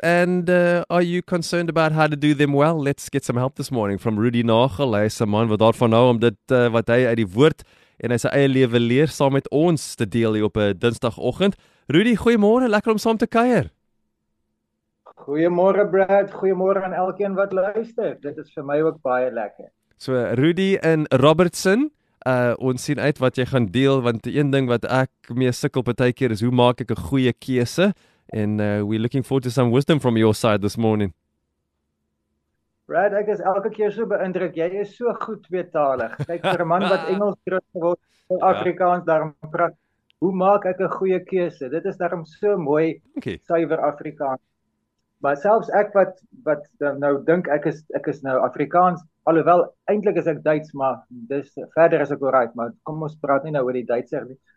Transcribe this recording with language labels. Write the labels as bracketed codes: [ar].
[en] And are you concerned about how to do them well? Let's get some help this morning from Rudy Nagel. He's a man [af] wat daarvan hou om dit wat hy uit die woord en hy sy eie lewe leer saam met ons te deel hier op 'n Dinsdagoggend. Rudy, goeiemôre. Lekker om saam te kuier. Goeiemôre Brad, goeiemôre aan elkeen wat luister. Dit is vir my ook baie lekker. So Rudy in Robertson, ons sien uit wat jy gaan deel, want die een ding wat ek mee sukkel partykeer is hoe maak ek 'n goeie keuse? [en] En we're looking forward to some wisdom from your side this morning. [af] Brad, ek is elke keer so beïndruk. Jy is so goed tweetalig. Kyk vir 'n man wat Engels groot geword het, en Afrikaans daarom praat. Hoe maak ek 'n goeie keuse? Dit is daarom so mooi suiwer Afrikaans. Maar selfs ek wat nou dink ek is nou Afrikaans, alhoewel eintlik is ek Duits, maar dis verder is ek oor uit, maar kom ons praat nie nou oor die Duitser nie.